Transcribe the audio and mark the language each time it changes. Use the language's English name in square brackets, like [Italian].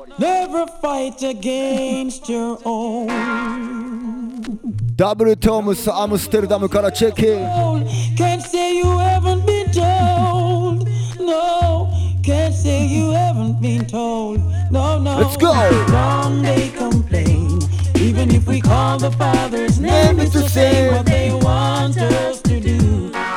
[English] Never fight against your own. [Japanese] ダブルトムス、アムステルダムからチェック。 [English] Can't say you haven't been told. No, can't say you haven't been told. No, no. Let's go. Long they complain, even if we call the father's name, it's the same what they want us to do.